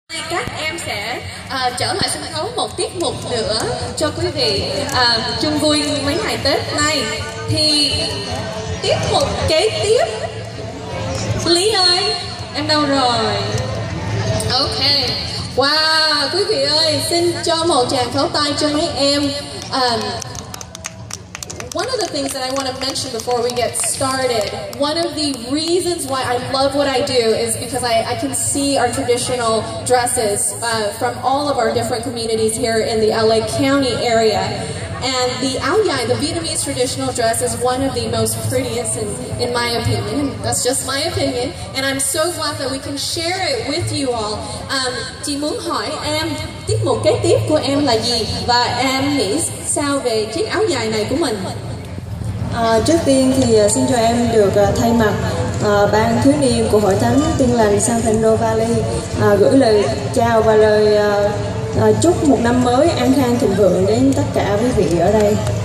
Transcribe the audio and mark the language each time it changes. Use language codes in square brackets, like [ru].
[vi] các em sẽ trở lại sân khấu một tiết mục nữa cho quý vị chung vui mấy ngày Tết này. Thì tiết mục kế tiếp, Lý ơi, em đâu rồi? Ok, wow, quý vị ơi, xin cho một tràng pháo tay cho mấy em. [en] One of the things that I want to mention before we get started, one of the reasons why I love what I do is because I can see our traditional dresses from all of our different communities here in the LA County area. And the Ao Dai, the Vietnamese traditional dress, is one of the most prettiest, in my opinion. That's just my opinion. And I'm so glad that we can share it with you all. [vi] Chị muốn hỏi em, tiết mục kế tiếp của em là gì? Và em nghĩ sao về chiếc áo dài này của mình? Trước tiên thì xin cho em được thay mặt ban thiếu niên của Hội Thánh Tin Lành San Fernando Valley gửi lời chào và lời chúc một năm mới an khang thịnh vượng đến tất cả quý vị ở đây.